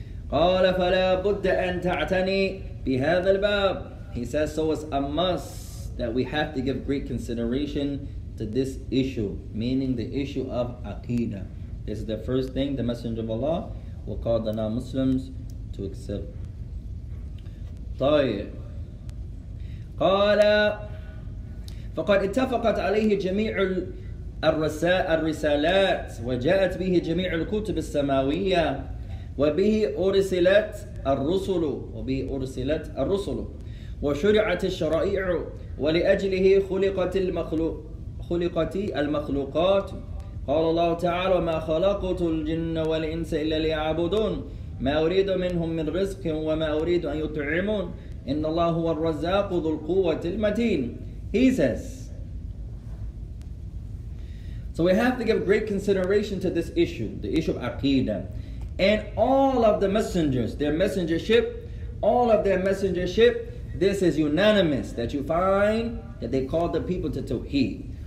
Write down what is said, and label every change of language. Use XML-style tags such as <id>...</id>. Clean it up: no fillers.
<ar>قَالَ فَلَا بُدَّ أَنْ تَعْتَنِي بِهَذَا الْبَابِ.</ar> <en>He says, so it's a must that we have to give great consideration to this issue, meaning the issue of aqidah. This is the first thing the Messenger of Allah will call the non-Muslims to accept.</en> <ar>طيب. قال فقد اتفقت عليه جميع الرسالات وجاءت به جميع الكتب السماوية وبه أرسلت الرسل وبه أرسلت الرسل وشرعت الشرائع ولأجله خلقت المخلوق خلقت المخلوقات قال الله تعالى ما خلقت الجن والإنس إلا ليعبدون ما أريد منهم من رزق وما أريد أن يطعمون إن الله هو الرزاق ذو القوة المتين.</ar> <en>He says, so we have to give great consideration to this issue, the issue of aqidah, and all of the messengers, their messengership, all of their messengership, this is unanimous that you find that they call the people to tawheed.</en>